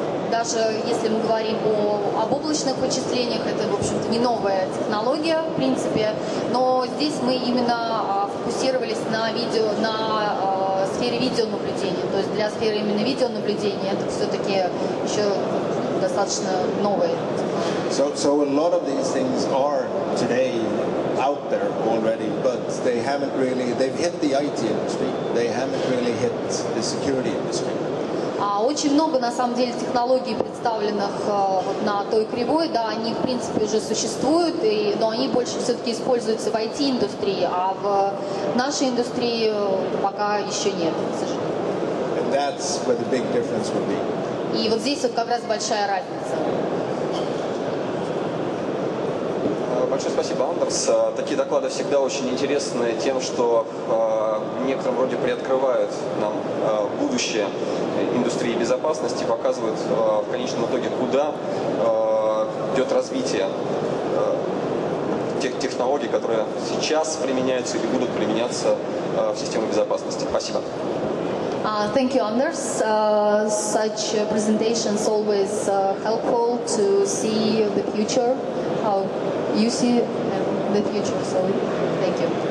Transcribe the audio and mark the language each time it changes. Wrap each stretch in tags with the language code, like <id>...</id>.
<ru>Даже если мы говорим об облачных вычислениях, это, в общем-то, не новая технология, в принципе. Но здесь мы именно фокусировались на видео, на сфере видеонаблюдения. То есть для сферы именно видеонаблюдения это все-таки еще достаточно новое.</ru> <en>So a lot of these things are today out there already, but they haven't really, they've hit the IT industry. They haven't really hit the security industry.</en> <ru>Очень много, на самом деле, технологий, представленных вот, на той кривой, да, они, в принципе, уже существуют, но они больше все-таки используются в IT-индустрии, а в нашей индустрии пока еще нет, к сожалению. И вот здесь вот как раз большая разница. Большое спасибо, Андерс. Такие доклады всегда очень интересны тем, что некоторым вроде приоткрывают нам будущее индустрии безопасности, показывают в конечном итоге, куда идет развитие тех технологий, которые сейчас применяются и будут применяться в системе безопасности. Спасибо.</ru> <en>Thank you, Anders. Such presentations always helpful to see the future, how you see the future. So, thank you.</en>